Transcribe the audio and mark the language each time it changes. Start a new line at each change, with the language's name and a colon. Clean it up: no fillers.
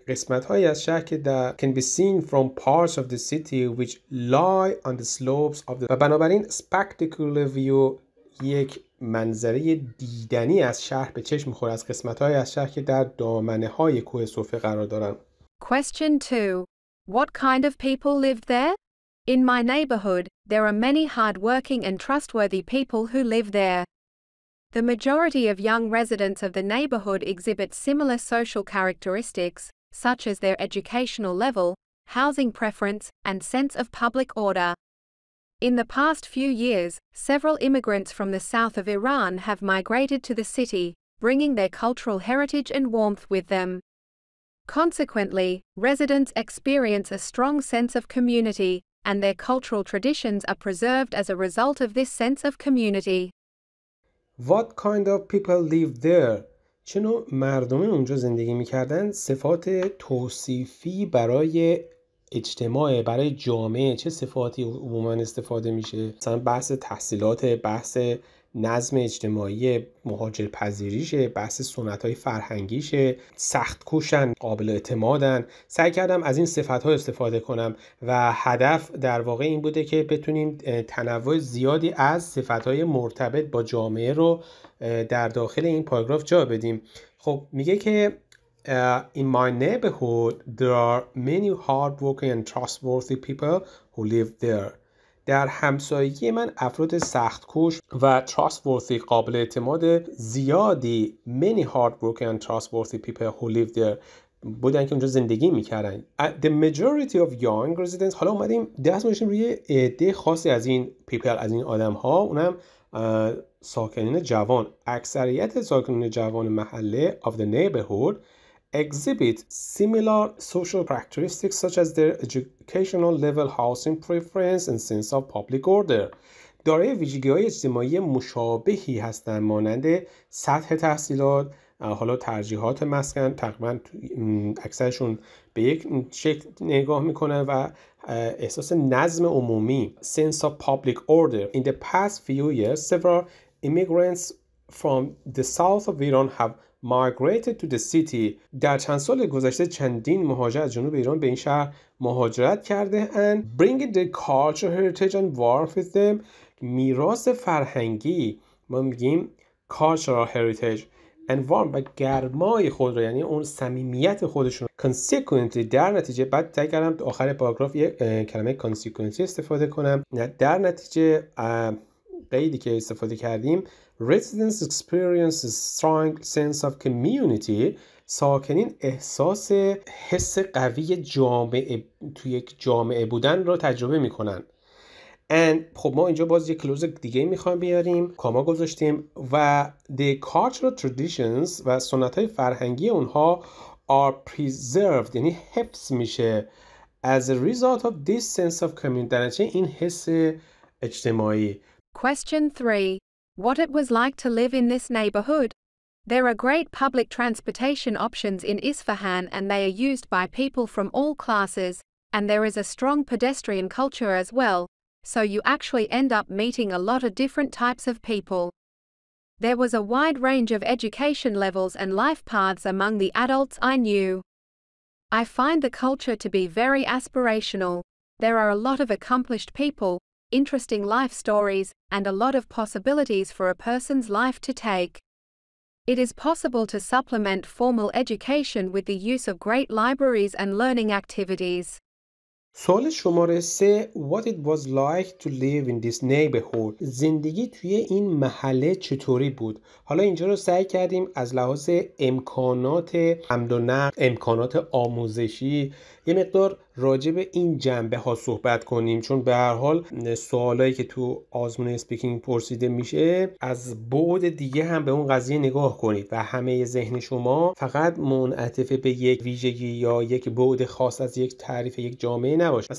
Persian: قسمت هایی از شهر که در
English: can be seen from parts of the
Persian: city which lie on the slopes of the. و بنابراین
English: spectacular view
Persian: یک منظره دیدنی از شهر به چشم خورد، از قسمت هایی از شهر که در دامنه های کوه صوفه قرار دارن.
English: Question 2. What kind of people live there? In my neighborhood, there are many hard-working and trustworthy people who live there. The majority of young residents of the neighborhood exhibit similar social characteristics, such as their educational level, housing preference, and sense of public order. In the past few years, several immigrants from the south of Iran have migrated to the city, bringing their cultural heritage and warmth with them. Consequently, residents experience a strong sense of community, and their cultural traditions are preserved as a result of this sense of community. What kind of people live there?
Persian: چه نوع مردم اونجا زندگی میکردن؟ صفات توصیفی برای اجتماع، برای جامعه، چه صفاتی عموما استفاده میشه؟ مثلا بحث تحصیلات، بحث نظم اجتماعی، مهاجرپذیریشه، بحث سنت‌های فرهنگیشه، سخت کوشن، قابل اعتمادن. سعی کردم از این صفات‌ها استفاده کنم و هدف در واقع این بوده که بتونیم تنوع زیادی از صفات‌های مرتبط با جامعه رو در داخل این پاراگراف جا بدیم. خب میگه که
English: in my neighborhood there are many hardworking and trustworthy people who live there.
Persian: در همسایگی من افراد سخت کوش و trustworthy، قابل اعتماد زیادی،
English: many hardworking and trustworthy people who live there
Persian: بودن که اونجا زندگی میکردن.
English: The majority of young residents،
Persian: حالا اومدیم دست میشیم روی عده خاصی از این people، از این آدم ها، اونم ساکنین جوان. اکثریت ساکنین جوان محله
English: of the neighborhood exhibit similar social characteristics such as their educational level, housing preference and sense of public order.
Persian: دارای ویژگی‌های اجتماعی مشابهی هستند، مانند سطح تحصیلات، حالا ترجیحات مسکن، تقریباً اکثرشون به یک شکل نگاه میکنن، و احساس نظم عمومی،
English: sense of public order. In the past few years, several immigrants from the south of Iran have migrated to the city.
Persian: در چند سال گذشته چندین مهاجر از جنوب ایران به این شهر مهاجرت کرده اند.
English: Bring the cultural heritage and warmth with them.
Persian: میراث فرهنگی، ما میگیم
English: cultural heritage and warm،
Persian: و گرمای خود را، یعنی اون صمیمیت خودشون. Consequently، در نتیجه، بعد تا کردم تو آخر پاراگراف یه کلمه consequently استفاده کنم، در نتیجه قیدی که استفاده کردیم،
English: residents experience a strong sense of community.
Persian: ساکنین احساس حس قوی جامعه، تو یک جامعه بودن رو تجربه میکنن. And خب ما اینجا باز یک کلوز دیگه میخوام بیاریم، کاما گذاشتیم، و
English: the cultural traditions،
Persian: و سنت های فرهنگی اونها
English: are preserved،
Persian: یعنی حفظ میشه،
English: as a result of this sense of community،
Persian: در نتیجه این حس اجتماعی.
English: Question 3. What it was like to live in this neighborhood? There are great public transportation options in Isfahan and they are used by people from all classes, and there is a strong pedestrian culture as well, so you actually end up meeting a lot of different types of people. There was a wide range of education levels and life paths among the adults I knew. I find the culture to be very aspirational. There are a lot of accomplished people, interesting life stories, and a lot of possibilities for a person's life to take. It is possible to supplement formal education with the use of great libraries and learning activities.
Persian: سوال شماره 3
English: What it was like to live in this neighborhood؟
Persian: زندگی توی این محله چطوری بود؟ حالا اینجا رو سعی کردیم از لحاظ امکانات حمل و نقل، امکانات آموزشی یه مقدار راجع به این جنبه ها صحبت کنیم چون به هر حال سوالایی که تو آزمون اسپیکینگ پرسیده میشه از بعد دیگه هم به اون قضیه نگاه کنید و همه ذهن شما فقط منعطف به یک ویژگی یا یک بعد خاص از یک تعریف یک جامعه نباشه.